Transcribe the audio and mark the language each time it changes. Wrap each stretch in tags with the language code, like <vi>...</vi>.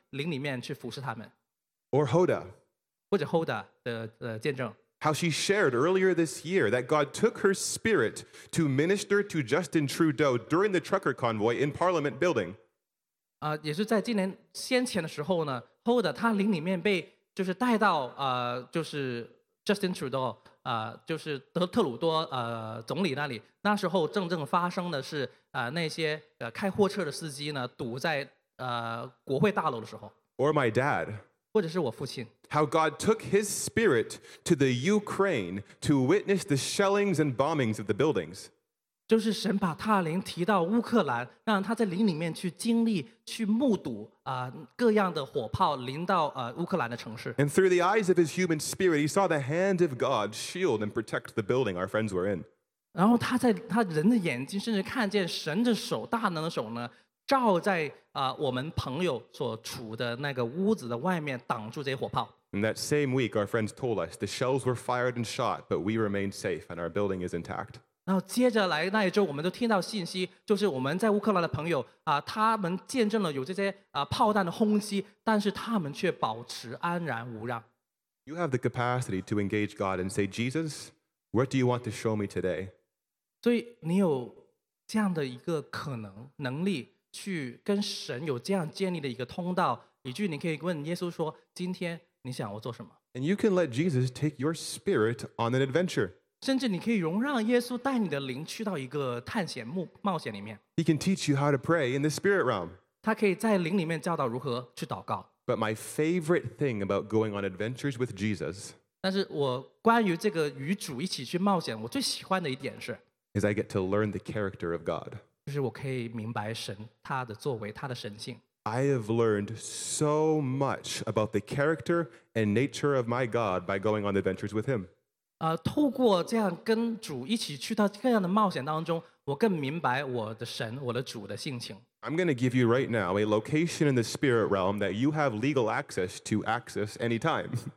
<zh>他有一次说到,他在灵里面被提到一个俄罗斯人的潜水艇里面,因为他们很快都会遇到一个事故会死,他就在那里灵里面去服侍他们。</zh> <en>Or Hoda.</en> <zh>或者Hoda的见证。</zh> <en>How she shared earlier this year that God took her spirit to minister to Justin Trudeau during the trucker convoy in Parliament building.</en> <zh>也是在今年先前的时候呢,Hoda他灵里面被就是带到就是Justin Trudeau 就是特鲁多总理那里，那时候正正发生的是那些开货车的司机呢堵在国会大楼的时候。</zh> <en>Or my dad.</en> <zh>或者是我父亲。</zh> <en>How God took his spirit to the Ukraine to witness the shellings and bombings of the buildings.</en> <zh>就是神把他灵提到乌克兰，让他在灵里面去经历去目睹各样的火炮临到乌克兰的城市。</zh> <en>And through the eyes of his human spirit, he saw the hand of God shield and protect the building our friends were in.</en> <zh>然后他在他人的眼睛甚至看见神的手，大能的手呢照在我们朋友所处的那个屋子的外面，挡住这些火炮。</zh> <en>And that same week, our friends told us the shells were fired and shot, but we remained safe and our building is intact.</en> <zh>然后接着来那一周，我们都听到信息，就是我们在乌克兰的朋友他们见证了有这些炮弹的轰击，但是他们却保持安然无恙。</zh> <en>You have the capacity to engage God and say, Jesus, what do you want to show me today?</en> <zh>所以你有这样的一个可能能力。去跟神有这样建立的一个通道，以至于你可以问耶稣说：“今天你想我做什么？”</zh> <en>And you can let Jesus take your spirit on an adventure.</en> <zh>甚至你可以容让耶稣带你的灵去到一个探险冒险里面。</zh> <en>He can teach you how to pray in the spirit realm.</en> <zh>他可以在灵里面教导如何去祷告。</zh> <en>But my favorite thing about going on adventures with Jesus.</en> <zh>但是我关于这个与主一起去冒险，我最喜欢的一点是</zh> <en>，is I get to learn the character of God.</en> <zh>就是我可以明白神他的作为他的神性。</zh> <en>I have learned so much about the character and nature of my God by going on adventures with him.</en> <zh>透过这样跟主一起去到这样的冒险当中，我更明白我的神我的主的性情。</zh> <en>I'm going to give you right now a location in the spirit realm that you have legal access to access anytime.</en>